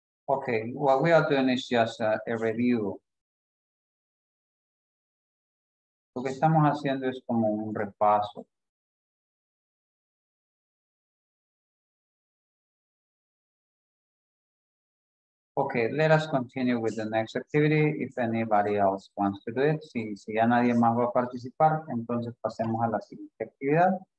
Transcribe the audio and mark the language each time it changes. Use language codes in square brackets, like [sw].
[en] Okay, what we are doing is just a review. [es] Lo que estamos haciendo es como un repaso. [en] Okay, let us continue with the next activity. If anybody else wants to do it, [es] si ya nadie más va a participar, entonces pasemos a la siguiente actividad.